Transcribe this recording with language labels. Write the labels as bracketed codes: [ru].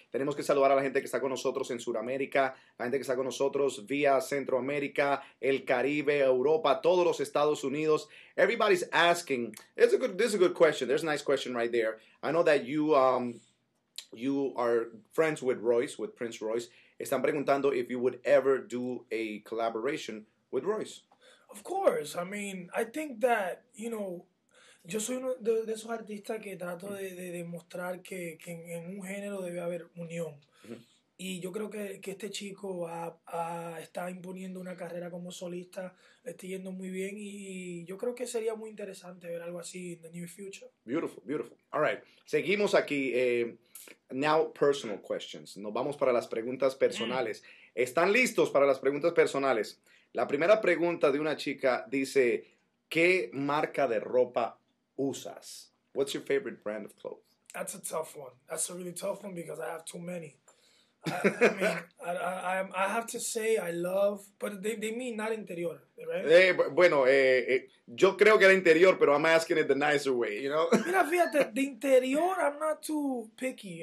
[es] Tenemos que saludar a la gente que está con nosotros en Sudamérica, la gente que está con nosotros vía Centroamérica, el Caribe, Europa, todos los Estados Unidos. [en] Everybody's asking. This is a good question. There's a nice question right there. I know that you are friends with Royce, with Prince Royce. [es] Están preguntando [en] if you would ever do a collaboration with Royce. Of course, I mean, I think that, you know, [es] yo soy uno de esos artistas que trato de demostrar que en un género debe haber unión. Uh-huh. Y yo creo que este chico está imponiendo una carrera como solista, le está yendo muy bien y yo creo que sería muy interesante ver algo así [en] in the near future. Beautiful, beautiful. All right, [es] seguimos aquí. [en] Now personal questions. [es] Nos vamos para las preguntas personales. Mm. ¿Están listos para las preguntas personales? La primera pregunta de una chica dice, ¿qué marca de ropa usas? [en] What's your favorite brand of clothes? That's a tough one. That's a really tough one because I have too many. I mean, I have to say I love, but they mean not interior, right? [es] Hey, bueno, yo creo que el interior, pero [en] I'm asking it the nicer way, you know? [es] Mira, fíjate, [en] the interior, I'm not too picky.